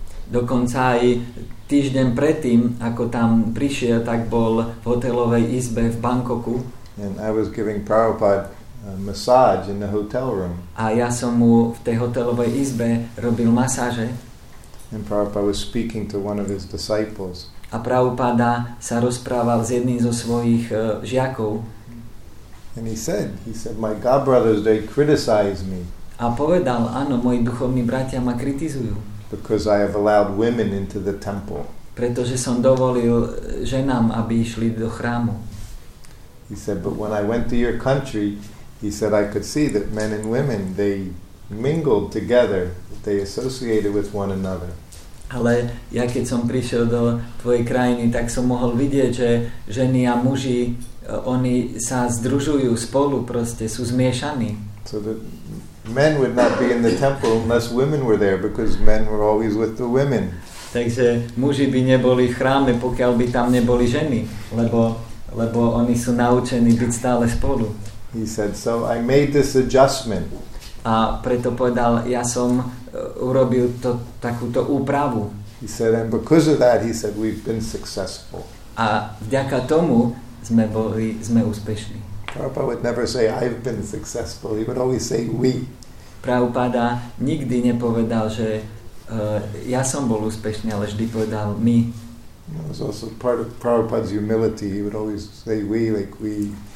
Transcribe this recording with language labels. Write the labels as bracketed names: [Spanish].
[Slovak] Dokonca aj týždeň predtým, ako tam prišiel, tak bol v hotelovej izbe v Bangkoku. [English] And I was giving Prabhupada a massage in the hotel room. [Slovak] A ja som mu v tej hotelovej izbe robil masáže. [English] And Prabhupada was speaking to one of his disciples. [Slovak] A Prabhupada sa rozprával s jedným zo svojich žiakov. [English] And he said, my God brothers, they criticize me. [Slovak] A povedal, áno, moji duchovní bratia ma kritizujú. [English] Because I have allowed women into the temple. [Slovak] Pretože som dovolil ženám, aby išli do chrámu. [English] He said, but when I went to your country, he said, I could see that men and women, they mingled together, they associated with one another. [Slovak] Ale ja keď som prišiel do tvojej krajiny, tak som mohol vidieť, že ženy a muži, oni sa združujú spolu, proste sú zmiešaní. [English] So the men would not be in the temple unless women were there, because men were always with the women. [Slovak] Takže muži by neboli v chráme, pokiaľ by tam neboli ženy, lebo oni sú naučení byť stále spolu. [English] He said, so I made this adjustment. [Slovak] A preto povedal, ja som urobil to, takúto úpravu. [English] He said, and because of that, he said, we've been successful. [Slovak] A vďaka tomu sme úspešní. [English] Prabhupada would never say, I've been successful. He would always say, we. [Slovak] Prabhupada nikdy nepovedal, že ja som bol úspešný, ale vždy povedal, my. [English] It was also part of Prabhupada's humility. He would always say, we, like we.